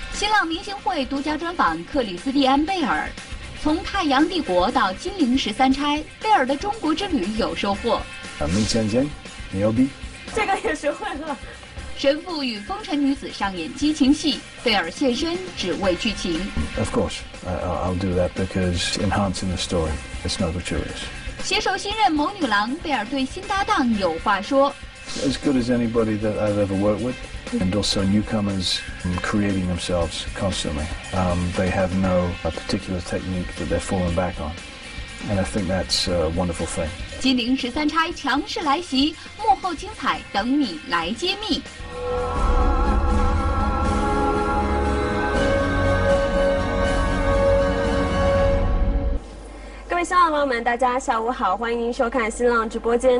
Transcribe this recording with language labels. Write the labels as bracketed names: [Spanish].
[Chinese] 浪明星会独家专访克里斯蒂安·贝尔。从太阳帝国到金陵十三钗，贝尔的中国之旅有收获。 [English] Amazing, nail be。 [Chinese] 这个也学会了。神父与风尘女子上演激情戏，贝尔现身只为剧情。 [English] Of course, I'll do that because enhancing the story is not gratuitous。 [Chinese] 携手新任谋女郎，贝尔对新搭档有话说。 [English] As good as anybody that I've ever worked with. And also newcomers creating themselves constantly. They have no particular technique that they're falling back on. And I think that's a wonderful thing. [Chinese] 金陵十三钗强势来袭，幕后精彩等你来揭秘。各位新浪朋友们，大家下午好，欢迎收看新浪直播间。